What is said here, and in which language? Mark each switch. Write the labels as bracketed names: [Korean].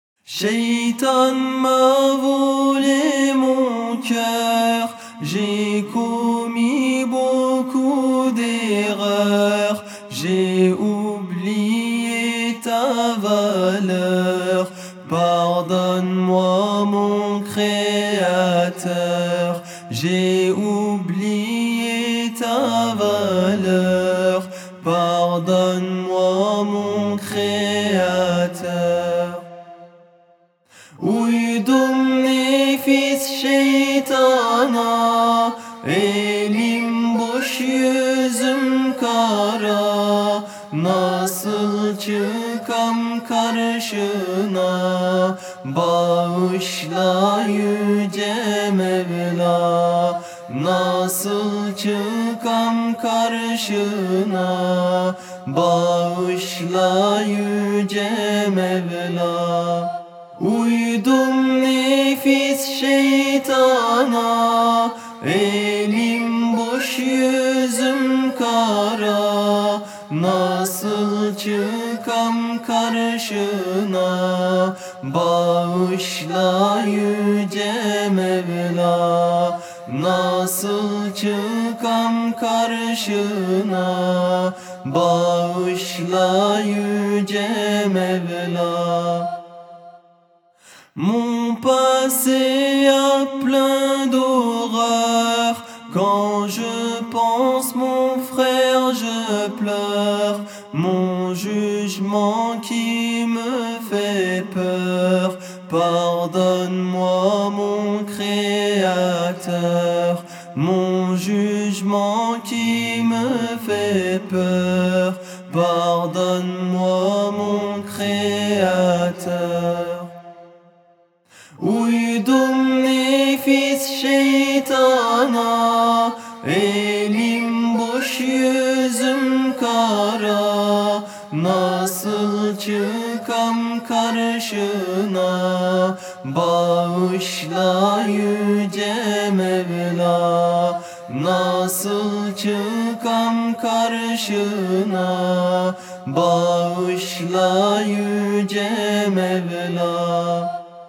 [French] Shaitan m'a volé mon cœur, j'ai commis beaucoup d'erreurs, j'ai oublié ta valeur, pardonne-moi mon créateur, j'ai oublié ta valeur, pardonne-moi mon créateur. [Turkish] Uydumni fis şeytana, elim boş yüzüm kara, nasıl çıkam karşına, bağışla yüce Mevla, nasıl çıkam karşına, bağışla yüce Mevla. Uydum nefis şeytana, elim boş yüzüm kara, nasıl çıkam karşına, bağışla yüce Mevla, nasıl çıkam karşına, bağışla yüce Mevla. [French] Mon passé a plein d'horreurs, quand je pense mon frère je pleure, mon jugement qui me fait peur, pardonne-moi mon créateur, mon jugement qui me fait peur, pardonne-moi mon créateur. [Turkish] Uydum nefis şeytana, elim boş yüzüm kara, nasıl çıkam karşına, bağışla yüce Mevla, nasıl çıkam karşına, bağışla yüce Mevla.